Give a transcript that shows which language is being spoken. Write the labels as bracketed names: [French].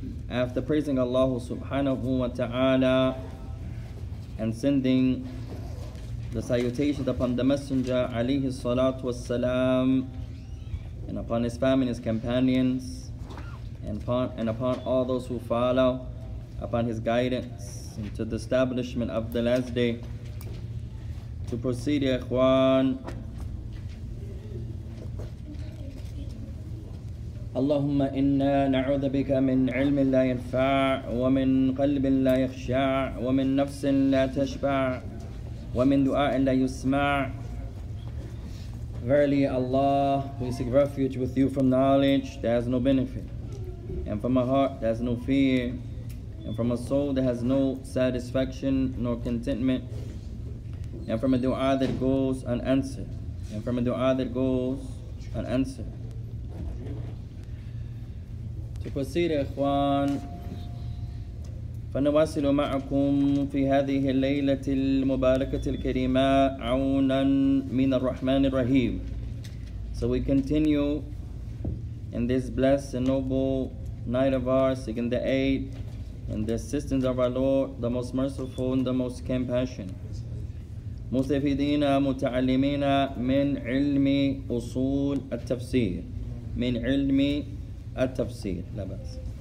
[English] After praising Allah subhanahu wa ta'ala and sending the salutations upon the Messenger alayhi salatu wassalam and upon his family and his companions and upon all those who follow upon his guidance into the establishment of the last day, to proceed, ya ikhwan. [Arabic] اللهم إنا نعوذ بك من علم لا ينفع ومن قلب لا يخشع ومن نفس لا تشبع ومن دعاء لا يسمع. [English] Verily, Allah, we seek refuge with you from knowledge that has no benefit, and from a heart that has no fear, and from a soul that has no satisfaction nor contentment, and from a dua that goes unanswered, and from a dua that goes unanswered. To proceed, إخوان. [Arabic] فنواصل معكم في هذه الليلة المباركة الكريمة عونا من الرحمن الرحيم. [English] So we continue in this blessed and noble night of ours, seeking the aid and the assistance of our Lord, the Most Merciful and the Most Compassionate. [Arabic] مستفيدين متعلمين من علم أصول التفسير من علم At-tafsir, labas.